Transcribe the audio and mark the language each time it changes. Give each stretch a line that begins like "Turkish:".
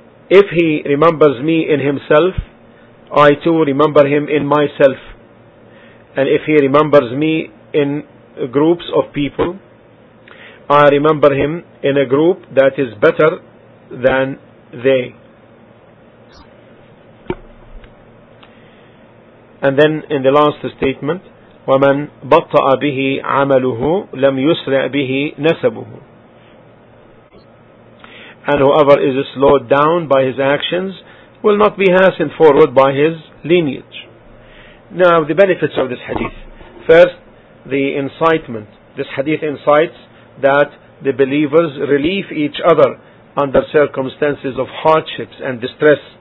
English: If he remembers me in himself, I too remember him in myself. And if he remembers me in groups of people, I remember him in a group that is better than they. And then in the last statement,
Arabic: وَمَنْ بَطَّأَ بِهِ عَمَلُهُ لَمْ يُسْرَعْ بِهِ نَسَبُهُ.
English: And whoever is slowed down by his actions will not be hastened forward by his lineage. Now, the benefits of this hadith. First, the incitement. This hadith incites that the believers relieve each other under circumstances of hardships and distress.